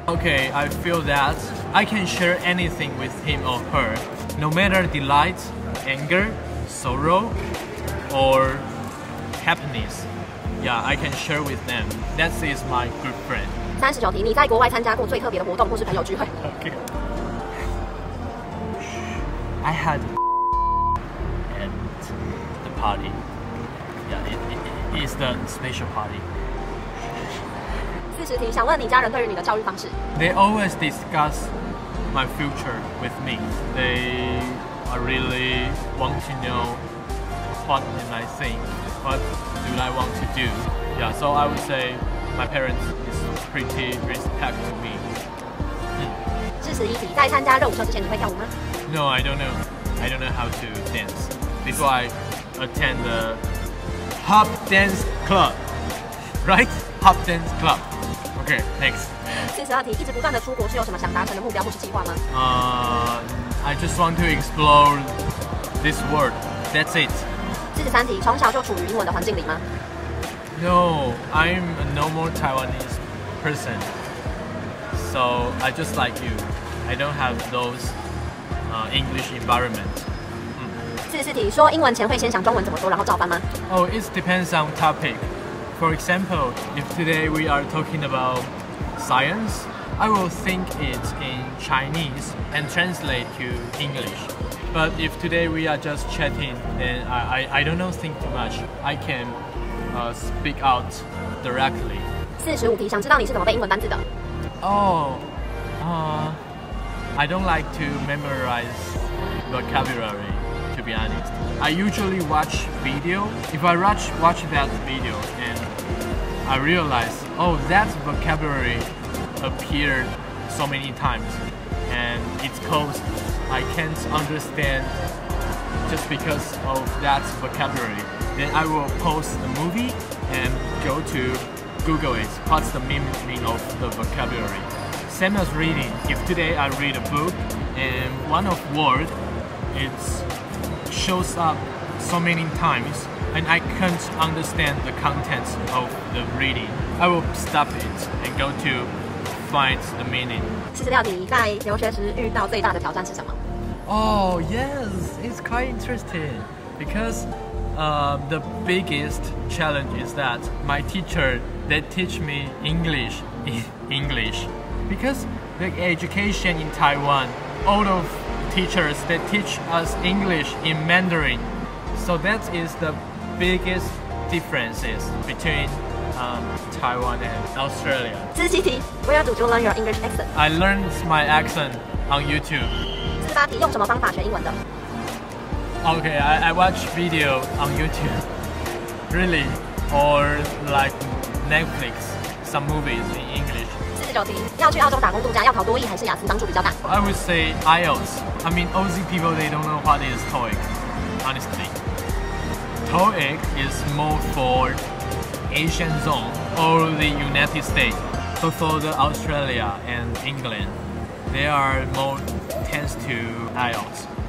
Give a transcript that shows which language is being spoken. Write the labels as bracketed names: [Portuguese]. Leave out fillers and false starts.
[English] Okay, I feel that I can share anything with him or her, no matter delight, anger, sorrow, or happiness. Yeah, I can share with them. That is my good friend. [Chinese] 39题，你在国外参加过最特别的活动或是朋友聚会 [English] ？Okay. I had and the party. Yeah, it is the special party. [Chinese] 40题，想问你家人对于你的教育方式 [English] ？They always discuss my future with me. They are really want to know what am I think, what do I want to do. Yeah, so I would say. My parents is pretty respect to me. [Chinese] 41题，在参加热舞社之前，你会跳舞吗？ [English] No, I don't know. I don't know how to dance. Before I attend the hop dance club, right? Hop dance club. Okay, next. [Chinese] 42题，一直不断的出国是有什么想达成的目标或是计划吗？ [English] I just want to explore this world. That's it. [Chinese] 43题，从小就处于英文的环境里吗？ [English] No, I'm a normal Taiwanese person, so I just like you. I don't have those English environment. [Chinese] 44题，说英文前会先想中文怎么说，然后照搬吗？ [English] Oh, it depends on topic. For example, if today we are talking about science, I will think it in Chinese and translate to English. But if today we are just chatting, then I don't know think too much. I can speak out directly. [Chinese] 45题，想知道你是怎么背英文单词的。 [English] I don't like to memorize vocabulary, to be honest. I usually watch video. If I watch that video and I realize, oh, that vocabulary appeared so many times and it's cause I can't understand just because of that vocabulary, then I will post the movie and go to Google it. What's the meaning of the vocabulary? Same as reading. If today I read a book and one of words, it shows up so many times and I can't understand the contents of the reading, I will stop it and go to find the meaning. [Chinese] 46题，在留学时遇到最大的挑战是什么？ [English] Oh yes, it's quite interesting because the biggest challenge is that my teacher, they teach me English in English. Because the education in Taiwan, all of teachers, they teach us English in Mandarin. So that is the biggest differences between Taiwan and Australia. 47题，where do you learn your English accent? I learned my accent on YouTube. [Chinese] 48题，用什么方法学英文的？ [English] Okay, I watch video on YouTube. Really, or like Netflix, some movies in English. [Chinese] 要去澳洲打工度假，要考多益还是雅思帮助比较大？ [English] I would say IELTS. I mean, Aussie people, they don't know what is TOEIC, honestly. TOEIC is more for Asian zone or the United States. But for the Australia and England, they are more tends to IELTS.